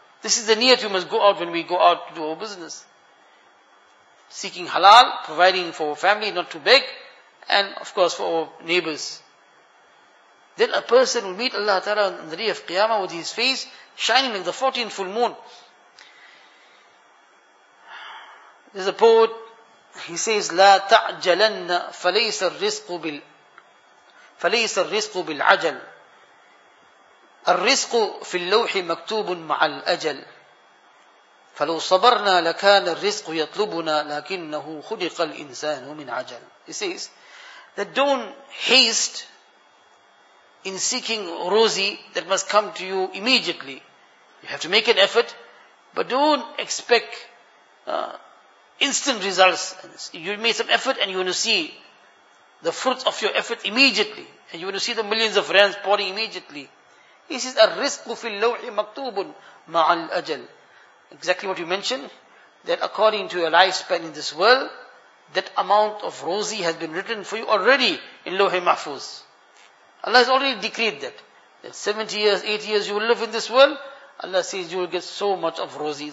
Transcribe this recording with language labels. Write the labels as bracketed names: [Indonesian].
[English] This is the niyat we must go out when we go out to do our business. Seeking halal, providing for our family, not to beg, and of course for our neighbors. Then a person will meet Allah ta'ala on the day of Qiyamah with his face shining like the 14th full moon. There's a poet. He says, [Arabic] لا تعجلن فليس الرزق بال فليس الرزق بالعجل الرزق في اللوح مكتوب مع الأجل فلو صبرنا لكان الرزق يطلبنا لكنه خلق الإنسان من عجل. He says, [English] that don't haste in seeking rosy that must come to you immediately. You have to make an effort, but don't expect instant results. You made some effort and you want to see the fruits of your effort immediately. And you want to see the millions of rands pouring immediately. He says, [Arabic] الرزق في اللوح مكتوب مع الأجل. [English] Exactly what you mentioned, that according to your lifespan in this world, that amount of rosy has been written for you already in Lohi Mahfuz. Allah has already decreed that. That 70 years, 80 years you will live in this world, Allah says you will get so much of rosy.